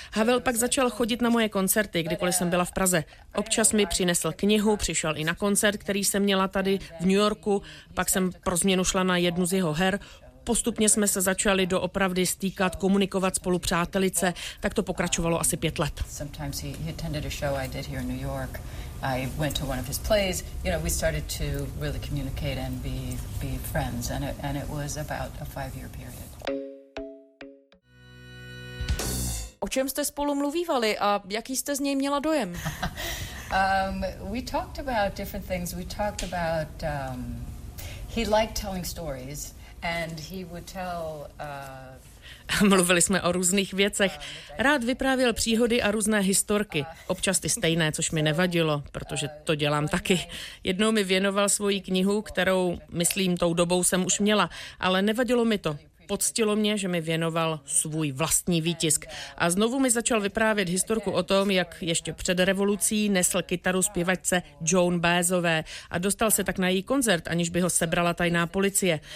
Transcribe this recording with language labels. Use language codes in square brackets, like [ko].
[cs] Havel pak začal chodit na moje koncerty, kdykoliv jsem byla v Praze. Občas mi přinesl knihu, přišel i na koncert, který jsem měla tady v New Yorku, pak jsem pro změnu šla na jednu z jeho her. Postupně jsme se začali doopravdy stýkat, komunikovat spolu přátelice, tak to pokračovalo asi 5 let. [en] Sometimes he attended a show I did here in New York. I went to one of his plays. You know, we started to really communicate and be friends and it was about a 5-year period. O čem jste spolu mluvívali a jaký jste z něj měla dojem? We talked about different things. We talked about he liked telling stories. And he would tell, [cs] Mluvili jsme o různých věcech. Rád vyprávěl příhody a různé historky. Občas ty stejné, což mi nevadilo, protože to dělám taky. Jednou mi věnoval svoji knihu, kterou, myslím, tou dobou jsem už měla, ale nevadilo mi to. Poctilo mě, že mi věnoval svůj vlastní výtisk. A znovu mi začal vyprávět historku o tom, jak ještě před revolucí nesl kytaru zpěvačce Joan Baezové a dostal se tak na její koncert, aniž by ho sebrala tajná policie.